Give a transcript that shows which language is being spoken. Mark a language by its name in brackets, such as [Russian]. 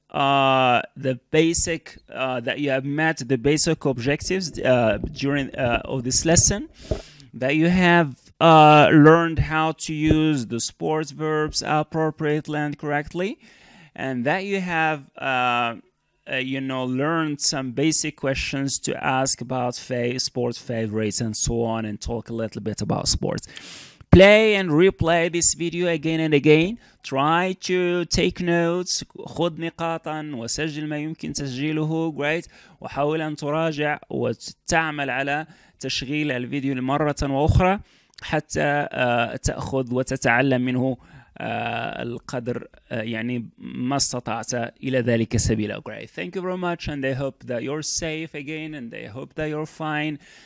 [English] The basic that you have met the basic objectives during of this lesson, that you have learned how to use the sports verbs appropriately and correctly, and that you have learned some basic questions to ask about sports favorites and so on, and talk a little bit about sports. Play and replay this video again and again. Try to take notes. [Arabic] خذ نقاطا وسجل ما يمكن تسجيله. [English] Great. [Arabic] وحاول أن تراجع وتعمل على تشغيل الفيديو مرة وأخرى حتى تأخذ وتتعلم منه القدر يعني ما استطعت إلى ذلك سبيلا. [English] Great. Thank you very much, and I hope that you're safe again, and I hope that you're fine.